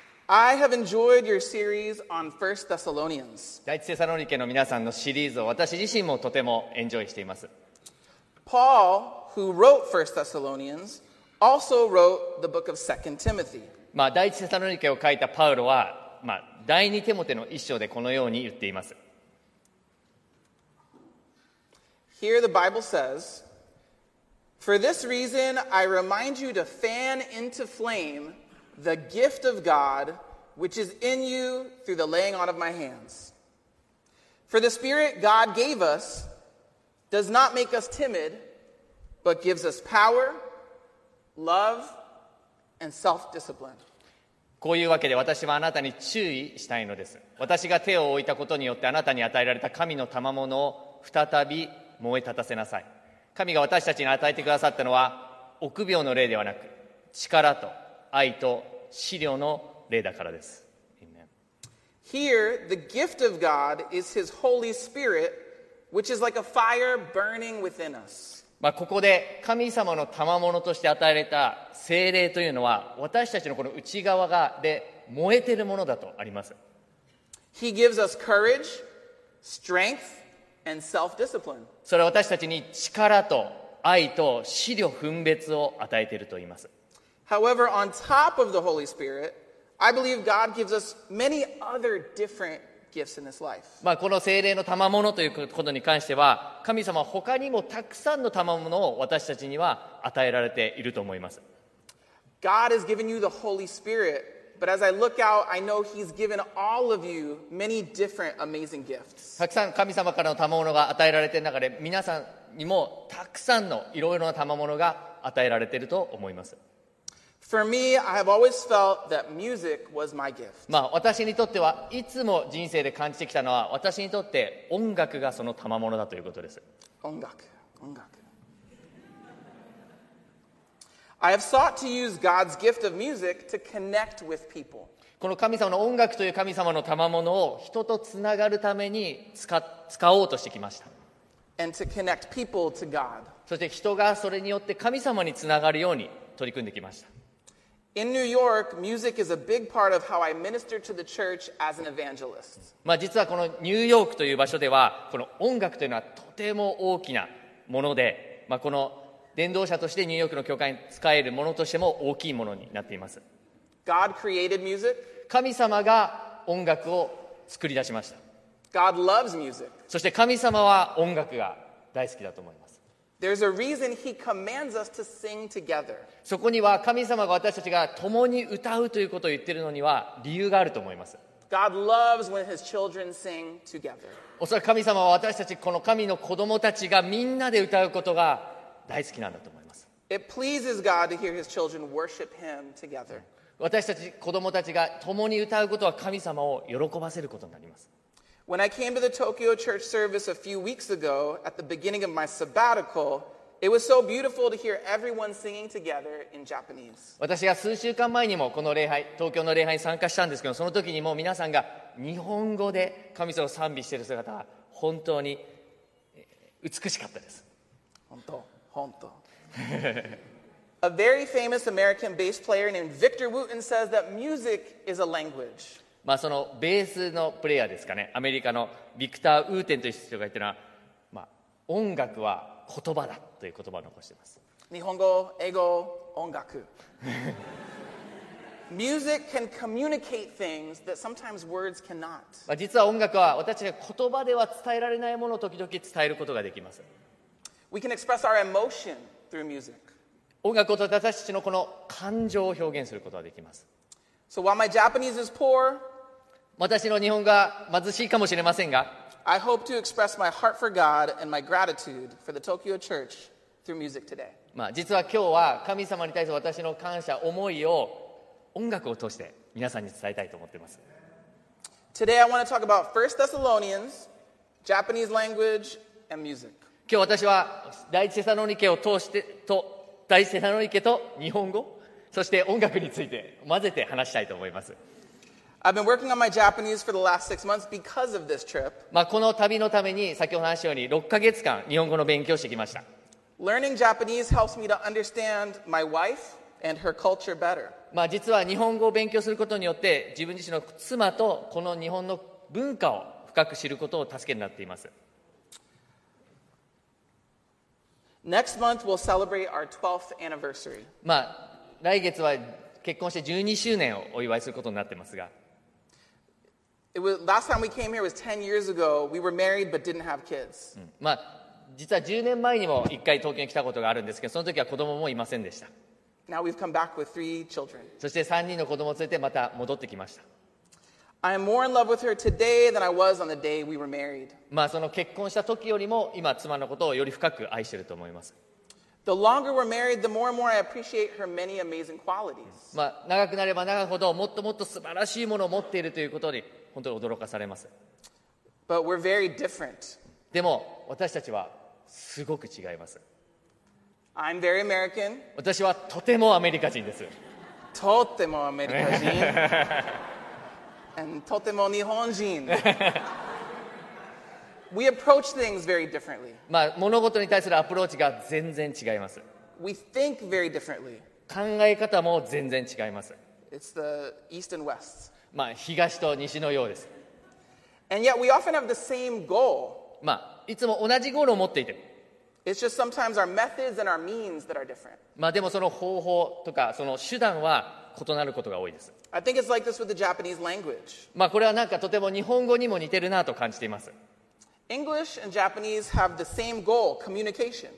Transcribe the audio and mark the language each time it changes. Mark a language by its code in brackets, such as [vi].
[en] I have enjoyed your series on 1 Thessalonians. [ja] 第1テサロニケの皆さんのシリーズを私自身もとてもエンジョイしています。 [en] Paul, who wrote 1 Thessalonians, also wrote the book of 2 Timothy. [ja] まあ第1テサロニケを書いたパウロは、まあ第2テモテの1章でこのように言っています。 [en] Here the Bible says, For this reason I remind you to fan into flame... The gift of God, which is in you through the laying on of my hands. For the Spirit God gave us does not make us timid, but gives us power, love, and self-discipline. [ja] こういうわけで私はあなたに注意したいのです。私が手を置いたことによってあなたに与えられた神の賜物を再び燃え立たせなさい。神が私たちに与えてくださったのは臆病の霊ではなく力と愛と資料の例だからです。 [en] Amen. Here, the gift of God is His Holy Spirit, which is like a fire burning within us. [ja] まあここで神様の賜物として与えられた聖霊というのは私たちのこの内側がで燃えているものだとあります。 [en] He gives us courage, strength, and self-discipline. [ja] それは私たちに力と愛と資料分別を与えていると言います。 [en] However, on top of the Holy Spirit, I believe God gives us many other different gifts in this life. [ja] まあこの聖霊の賜物ということに関しては、神様は他にもたくさんの賜物を私たちには与えられていると思います。 [en] God has given you the Holy Spirit, but as I look out, I know He's given all of you many different amazing gifts. [ja] たくさん神様からの賜物が与えられている中で、皆さんにもたくさんのいろいろな賜物が与えられていると思います。 [en] For me, I have always felt that music was my gift. [ja] まあ私にとってはいつも人生で感じてきたのは私にとって音楽がその賜物だということです。音楽、音楽。 [en] I have sought to use God's gift of music to connect with people. [ja] この神様の音楽という神様の賜物を人とつながるために使おうとしてきました。 [en] And to connect people to God. [ja] そして人がそれによって神様につながるように取り組んできました。 [en] In New York, music is a big part of how I minister to the church as an evangelist. [ja] まあ実はこのニューヨークという場所では、この音楽というのはとても大きなもので、まあこの伝道者としてニューヨークの教会に使えるものとしても大きいものになっています。 [en] God created music. [ja] 神様が音楽を作り出しました。 [en] God loves music. [ja] そして神様は音楽が大好きだと思います。 [en] There's a reason he commands us to sing together. [ja] そこには神様が私たちが共に歌うということを言っているのには理由があると思います。 [en] God loves when his children sing together. [ja] おそらく神様は私たちこの神の子供たちがみんなで歌うことが大好きなんだと思います。 [en] It pleases God to hear his children worship him together. [ja] 私たち子供たちが共に歌うことは神様を喜ばせることになります。 [en] When I came to the Tokyo church service a few weeks ago at the beginning of my sabbatical, it was so beautiful to hear everyone singing together in Japanese. [ja] 私が数週間前にもこの礼拝、東京の礼拝に参加したんですけど、その時にもう皆さんが日本語で神様を賛美している姿は本当に美しかったです。本当、本当。 [en] A very famous American bass player named Victor Wooten says that music is a language. [ja] まあ、そのベースのプレイヤーですかね、アメリカのビクター・ウーテンという人が言っているのは、まあ、音楽は言葉だという言葉を残しています。日本語、英語、音楽。 [en] Music can communicate things that sometimes words cannot. [ja] 実は音楽は私たちが言葉では伝えられないものを時々伝えることができます。 [en] We can express our emotion through music. [ja] 音楽を通して私たちのこの感情を表現することができます。 [en] So while my Japanese is poor, [ja] 私の日本語は貧しいかもしれませんが、 [en] I hope to express my heart for God and my gratitude for the Tokyo Church through music today. [ja] まあ実は今日は神様に対する私の感謝、思いを音楽を通して皆さんに伝えたいと思っています。 [en] Today I want to talk about 1 Thessalonians, Japanese language, and music. [ja] 今日私は第一テサロニケを通してと第一テサロニケと日本語、そして音楽について混ぜて話したいと思います。 [en] I've been working on my Japanese for the last 6 months because of this trip. [ja] まあこの旅のために先ほど話したように6ヶ月間日本語の勉強してきました。 [en] Learning Japanese helps me to understand my wife and her culture better. [ja] まあ実は日本語を勉強することによって自分自身の妻とこの日本の文化を深く知ることを助けになっています。 [en] Next month we'll celebrate our 12th anniversary. [ja] まあ来月は結婚して12周年をお祝いすることになってますが、 [en] It was, last time we came here was 10 years ago. We were married but didn't have kids. [ja] まあ実は10年前にも1回東京に来たことがあるんですけど、その時は子供もいませんでした。 [en] Now we've come back with 3 children. [ja] そして3人の子供を連れてまた戻ってきました。 [en] I am more in love with her today than I was on the day we were married. [ja] まあその結婚した時よりも今妻のことをより深く愛していると思います。 [en] The longer we're married, the more and more I appreciate her many amazing qualities. [ja] まあ長くなれば長いほどもっともっと素晴らしいものを持っているということに本当に驚かされます。 [en] But we're very different. [ja] でも私たちはすごく違います。 [en] I'm very American. [ja] 私はとてもアメリカ人です。とてもアメリカ人。 [en] And [ja] とても日本人。 [en] We approach things very differently. [ja] まあ物事に対するアプローチが全然違います。 [en] We think very differently. [ja] 考え方も全然違います。 [en] It's the East and West. [ja] まあ東と西のようです。 [en] And yet we often have the same goal. [ja] まあいつも同じゴールを持っていて。 [en] It's just sometimes our methods and our means that are different. [ja] まあでもその方法とかその手段は異なることが多いです。 [en] I think it's like this with the Japanese language. [ja] まあこれはなんかとても日本語にも似てるなと感じています。 [en] English and Japanese have the same goal, communication.